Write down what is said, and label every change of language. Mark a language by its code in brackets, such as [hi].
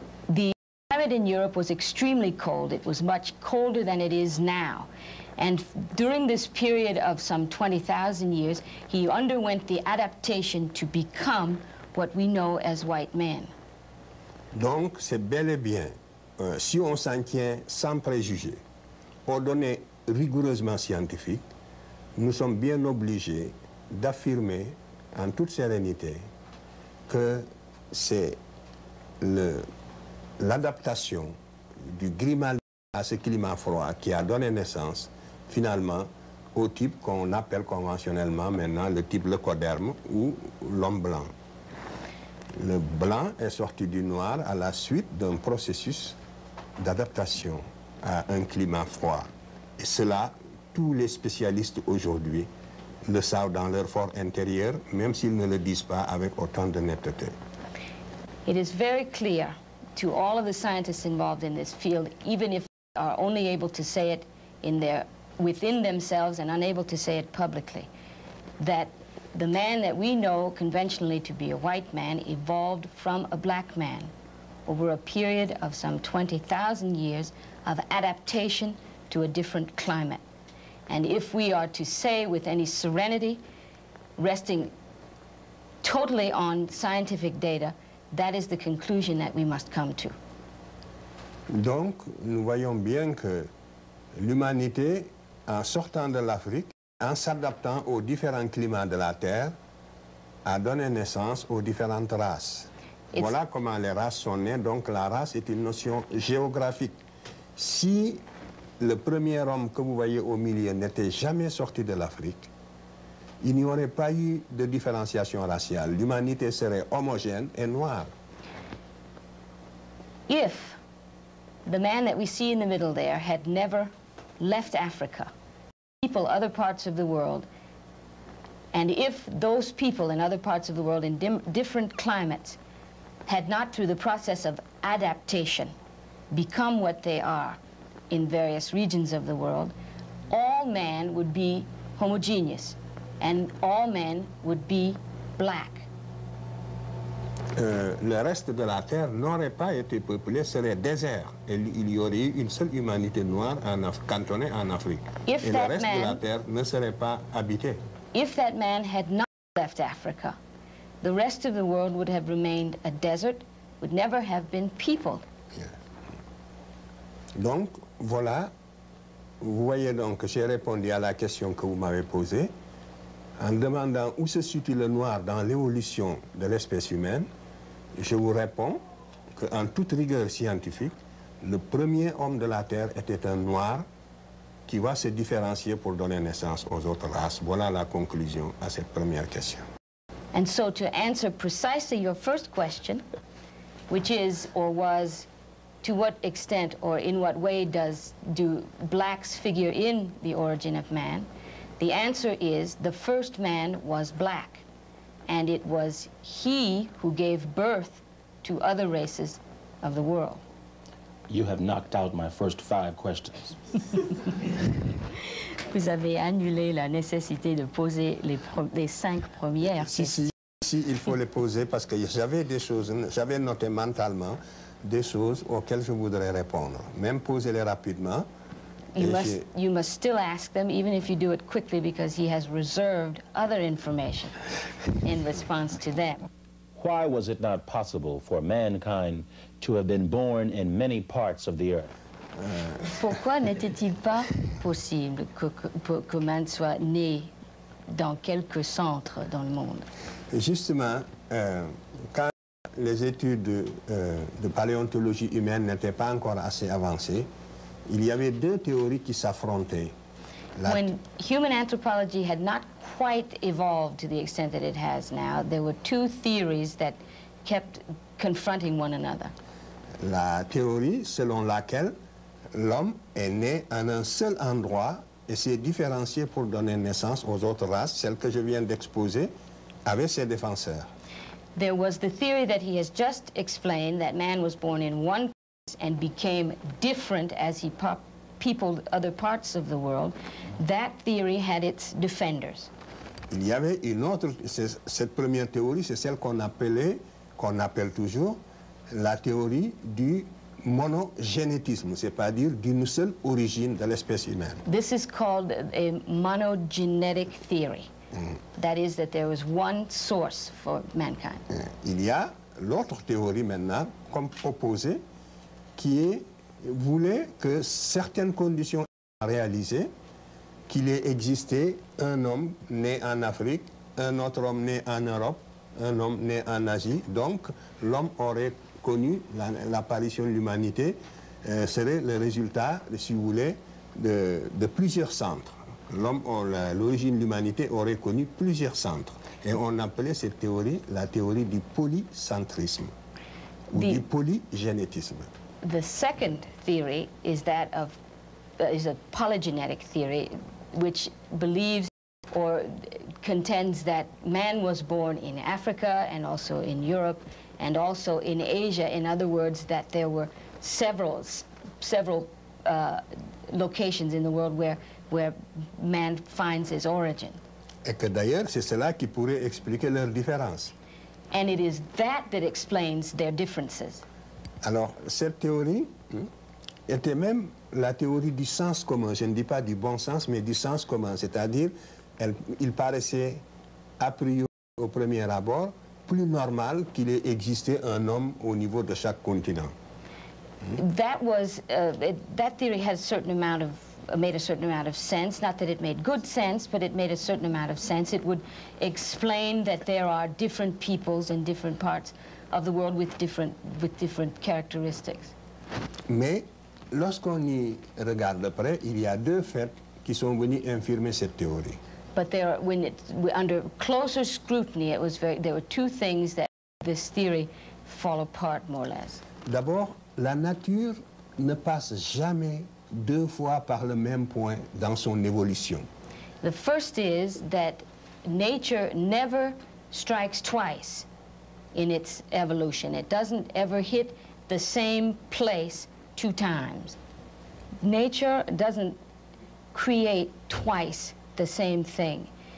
[en] The climate in Europe was extremely cold. It was much colder than it is now. And during this period of some 20,000 years, he underwent the adaptation to become what we know as white men. [fr] Donc, c'est bel et bien, si on s'en tient sans préjugés, aux données rigoureusement scientifiques, nous sommes bien obligés d'affirmer en toute sérénité que c'est l'adaptation du Grimaldi à ce climat froid qui a donné naissance finalement au type qu'on appelle conventionnellement maintenant le type leucoderme ou l'homme blanc. Le blanc est sorti du noir à la suite d'un processus d'adaptation à un climat froid. Et cela, tous les spécialistes aujourd'hui le savent dans leur fort intérieur, même s'ils ne le disent pas avec autant de netteté. [en] It is very clear to all of the scientists involved in this field, even if they are only able to say it in their, within themselves and unable to say it publicly, that the man that we know conventionally to be a white man evolved from a black man over a period of some 20,000 years of adaptation to a different climate. And if we are to say with any serenity, resting totally on scientific data, that is the conclusion that we must come to. [fr] Donc, nous voyons bien que l'humanité, en sortant de l'Afrique, en s'adaptant aux différents climats de la Terre, a donné naissance aux différentes races. Voilà comment les races sont nées. Donc, la race est une notion géographique. Si le premier homme que vous voyez au milieu n'était jamais sorti de l'Afrique, il n'y aurait pas eu de différenciation raciale. L'humanité serait homogène et noire. [en] If the man that we see in the middle there had never left Africa, people other parts of the world, and if those people in other parts of the world in different climates had not, through the process of adaptation, become what they are in various regions of the world, all man would be homogeneous. And all men would be black. [fr] Le reste de la Terre n'aurait pas été peuplé, serait désert. Et il y aurait eu une seule humanité noire en cantonnée en Afrique. [en] If [fr] et le reste [en] man, [fr] de la Terre ne serait pas habité. [en] If that man had not left Africa, the rest of the world would have remained a desert, would never have been peopled. Yeah. [fr] Donc, voilà. Vous voyez donc que j'ai répondu à la question que vous m'avez posée. En demandant où se situe le noir dans l'évolution de l'espèce humaine, je vous réponds qu'en toute rigueur scientifique, le premier homme de la Terre était un noir qui va se différencier pour donner naissance aux autres races. Voilà la conclusion à cette première question. [en] And so to answer precisely your first question, which is or was, to what extent or in what way do blacks figure in the origin of man? The answer is the first man was black, and it was he who gave birth to other races of the world. You have knocked out my first five questions. [fr] Vous avez annulé la nécessité de poser les cinq premières questions. Si, il faut les poser parce que j'avais des choses, j'avais noté mentalement des choses auxquelles je voudrais répondre, même poser-les rapidement. [en] You must still ask them, even if you do it quickly, because he has reserved other information in response to them. Why was it not possible for mankind to have been born in many parts of the earth? [fr] Pourquoi n'était-il pas possible que man soit né dans quelques centres dans le monde? Justement, quand les études de paléontologie humaine n'étaient pas encore assez avancées, il y avait deux théories qui s'affrontaient. [en] When human anthropology had not quite evolved to the extent that it has now, there were two theories that kept confronting one another. [fr] La théorie selon laquelle l'homme est né en un seul endroit et s'est différencié pour donner naissance aux autres races, celle que je viens d'exposer, avait ses défenseurs. [en] There was the theory that he has just explained, that man was born in one and became different as he peopled other parts of the world. That theory had its defenders. [fr] Il y avait une autre, cette première théorie, c'est celle qu'on appelle toujours la théorie du monogénétisme, c'est-à-dire d'une seule origine de l'espèce humaine. [en] This is called a monogenetic theory. That is, that there was one source for mankind. [fr] Il y a l'autre théorie maintenant, comme proposée, qui est, voulait que certaines conditions soient réalisées, qu'il ait existé un homme né en Afrique, un autre homme né en Europe, un homme né en Asie. Donc, l'homme aurait connu l'apparition de l'humanité, serait le résultat, si vous voulez, de plusieurs centres. L'homme, l'origine de l'humanité aurait connu plusieurs centres. Et on appelait cette théorie la théorie du polycentrisme ou du polygénétisme. [en] The second theory is that of is a polygenetic theory, which believes or contends that man was born in Africa and also in Europe and also in Asia. In other words, that there were several locations in the world where man finds his origin. [fr] Et que d'ailleurs, c'est cela qui pourrait expliquer leurs différences. [en] And it is that explains their differences. [fr] Alors, cette théorie était même la théorie du sens commun. Je ne dis pas du bon sens, mais du sens commun. C'est-à-dire, il paraissait, a priori, au premier abord, plus normal qu'il ait existé un homme au niveau de chaque continent. [en] That was that theory had a certain amount of made a certain amount of sense. Not that it made good sense, but it made a certain amount of sense. It would explain that there are different peoples in different parts of the world with different characteristics. [fr] Mais lorsqu'on y regarde près, il y a deux faits qui sont venus infirmer cette théorie. [en] But there, when it under closer scrutiny, it was very. There were two things that this theory fall apart more or less. [fr] D'abord, la nature ne passe jamais deux fois par le même point dans son évolution. [en] The first is that nature never strikes twice in its evolution. It doesn't ever hit the same place two times. Nature doesn't create twice the same thing.